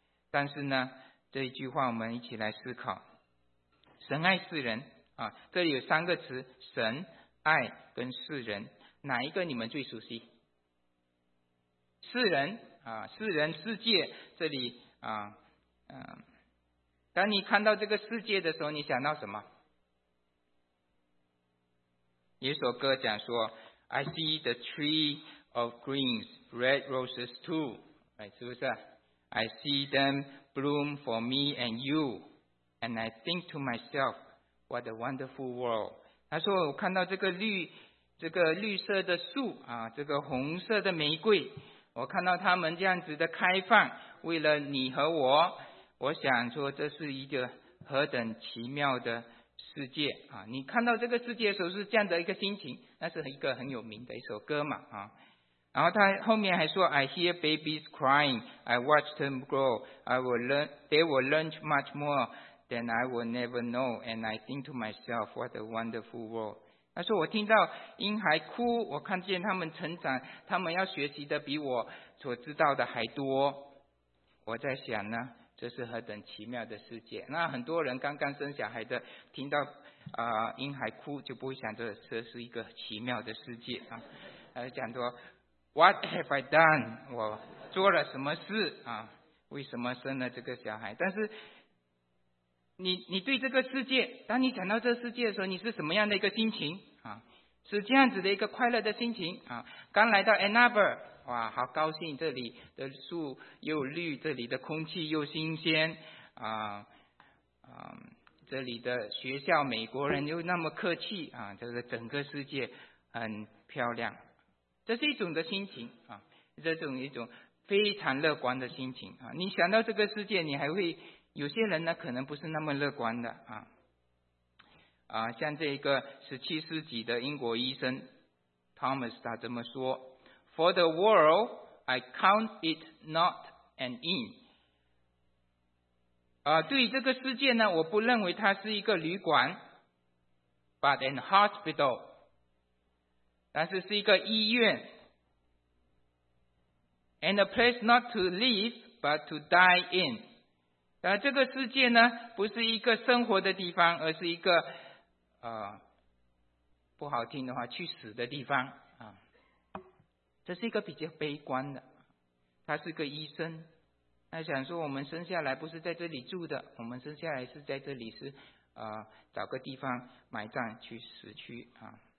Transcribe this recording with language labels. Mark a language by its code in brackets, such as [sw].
[zh] 但是呢，这句话我们一起来思考，神爱世人啊，这里有三个词，神爱跟世人，哪一个你们最熟悉？世人啊，世人世界，这里啊当你看到这个世界的时候，你想到什么？有一首歌讲说 [en] I see the tree of greens, red roses too, [zh] 是不是？ [en] I see them bloom for me and you, and I think to myself, what a wonderful world. [zh] 他说我看到这个绿色的树啊，这个红色的玫瑰，我看到他们这样子的开放，为了你和我，我想说这是一个何等奇妙的世界啊！你看到这个世界的时候是这样的一个心情，那是一个很有名的一首歌嘛啊。然后他后面还说 [en] I hear babies crying, I watch them grow, I will learn, they will learn much more than I will never know, and I think to myself, what a wonderful world. [zh] 他说我听到婴孩哭，我看见他们成长，他们要学习的比我所知道的还多。我在想呢，这是何等奇妙的世界。那很多人刚刚生小孩的听到婴孩哭，就不会想着这是一个奇妙的世界啊，而讲说 [en] What have I done? [zh] 我做了什么事啊？为什么生了这个小孩？但是你对这个世界，当你想到这个世界的时候，你是什么样的一个心情啊？是这样子的一个快乐的心情啊。刚来到 Ann Arbor, 哇，好高兴，这里的树又绿，这里的空气又新鲜啊，这里的学校美国人又那么客气啊，这个整个世界很漂亮。这是一种的心情啊，这种一种非常乐观的心情啊。你想到这个世界，你还会有些人呢，可能不是那么乐观的啊。像这个17世纪的英国医生 Thomas 他这么说 ： [en] For the world, I count it not an inn。 [zh] 对于这个世界呢，我不认为它是一个旅馆 ， [en] but an hospital。 [zh] 但是是一个医院 [en] and a place not to live but to die in。 [zh] 这个世界呢不是一个生活的地方，而是一个不好听的话去死的地方啊。这是一个比较悲观的，他是个医生，他想说我们生下来不是在这里住的，我们生下来是在这里是找个地方埋葬去死去啊。